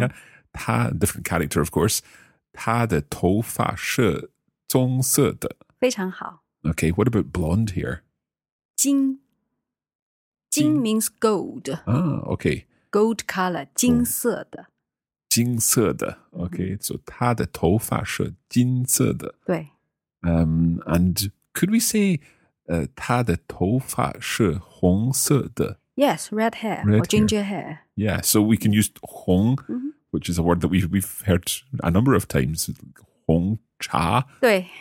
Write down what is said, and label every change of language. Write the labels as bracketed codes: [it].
[zh] yeah? 他, [en] different character, of course. [zh] 他的头发是棕色的。非常好。 [en] Okay, what about blonde hair? 金.金 means gold. Ah, okay. Gold color, [zh] 金色的。金色的, okay. Mm-hmm. So, 他的头发是金色的。对。 [en] And could we say, [zh] 他的头发是红色的? [en] Yes, red hair, red or hair. Ginger hair. Yeah, so we can use 红, mm-hmm. which is a word that we've heard a number of times. [zh] 红茶, 对,